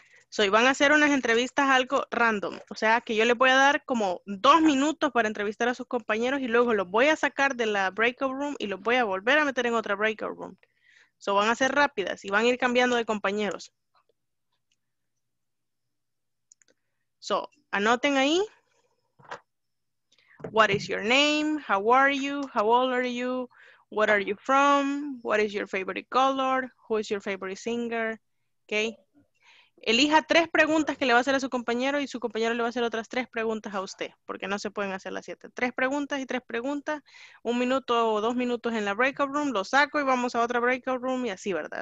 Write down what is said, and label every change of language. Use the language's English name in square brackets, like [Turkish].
[Spanish] So, y van a hacer unas entrevistas algo random. O sea, que yo les voy a dar como 2 minutos para entrevistar a sus compañeros y luego los voy a sacar de la breakout room y los voy a volver a meter en otra breakout room. So, van a ser rápidas y van a ir cambiando de compañeros. [English] So, [Spanish] anoten ahí, [English] what is your name, how are you, how old are you, what are you from, what is your favorite color, who is your favorite singer, okay. [Spanish] Elija 3 preguntas que le va a hacer a su compañero y su compañero le va a hacer otras 3 preguntas a usted, porque no se pueden hacer las 7. 3 preguntas y 3 preguntas, 1 minuto o 2 minutos en la breakout room, lo saco y vamos a otra breakout room y así, ¿verdad?